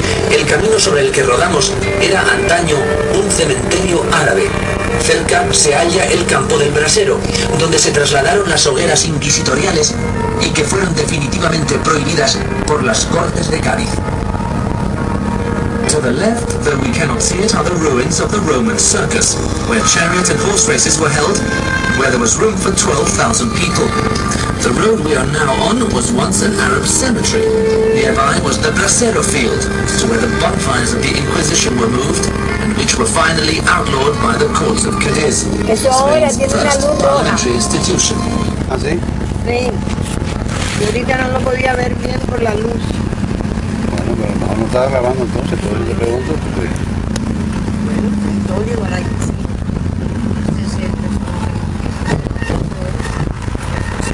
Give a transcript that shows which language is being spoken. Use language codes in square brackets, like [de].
[es] El camino sobre el que rodamos era antaño un cementerio árabe. Cerca se halla el campo del brasero, donde se trasladaron las hogueras inquisitoriales y que fueron definitivamente prohibidas por las Cortes de Cádiz. [en] To the left, though we cannot see it, are the ruins of the Roman circus, where chariot and horse races were held, where there was room for 12,000 people. The road we are now on was once an Arab cemetery. Nearby was the Brasero field, to where the bonfires of the Inquisition were moved, and which were finally outlawed by the courts of Cadiz, Spain's first parliamentary institution. [es] ¿Así? Sí. Ahorita no lo podía ver bien por la luz. No estaba grabando entonces, pero yo le pregunto, ¿tú crees? Bueno, todo llegará ahí, sí. No sé si es que